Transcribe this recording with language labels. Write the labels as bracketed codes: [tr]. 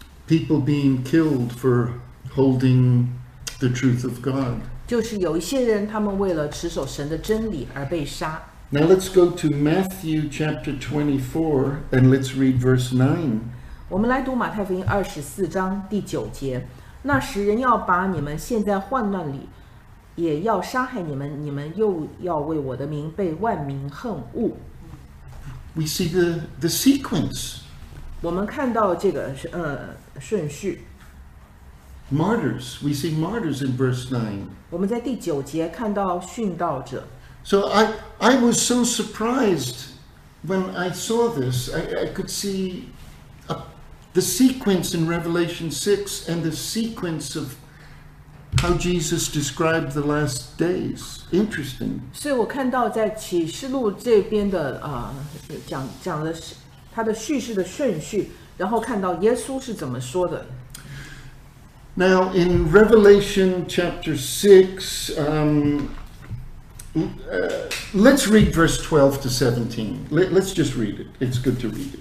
[en] People being killed for holding the truth of God. [zh] 就是有一些人，他们为了持守神的真理而被杀。 [en] Now let's go to Matthew chapter 24 and let's read verse 9. [zh] 我们来读马太福音24章第9节。那时人要把你们陷在患难里，也要杀害你们，你们又要为我的名被万民恨恶。 [en] We see the sequence. [zh] 我们看到这个顺序。 [en] Martyrs, we see martyrs in verse 9. [zh] 我们在第9节看到殉道者。 [en] So I was so surprised when I saw this. I could see the sequence in Revelation 6 and the sequence of how Jesus described the last days. Interesting. [zh] 所以我看到在启示录这边的讲的是它的叙事的顺序，然后看到耶稣是怎么说的。 [en] Now in Revelation chapter 6, let's read verse 12 to 17. Let's just read it. It's good to read it.